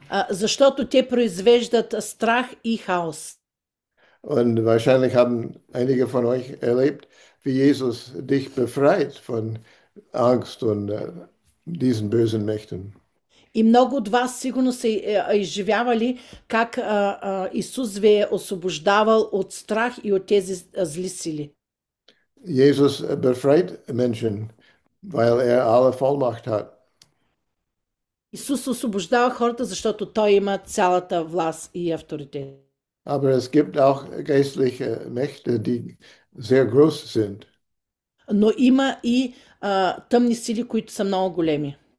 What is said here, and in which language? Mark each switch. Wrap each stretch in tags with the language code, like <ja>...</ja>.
<bg>Защото те произвеждат страх и хаос.</bg> <de>Und wahrscheinlich haben einige von euch erlebt, wie Jesus dich befreit von Angst und diesen bösen Mächten.</de> <bg>И много от вас сигурно са изживявали как Исус ви е освобождавал от страх и от тези зли сили.</bg> <de>Jesus befreit Menschen, weil alle Vollmacht hat.</de> <bg>Исус освобождава хората, защото той има цялата власт и авторитет.</bg> <de>Aber es gibt auch geistliche Mächte, die sehr groß sind.</de> <bg>Но има и тъмни сили, които са много големи.</bg>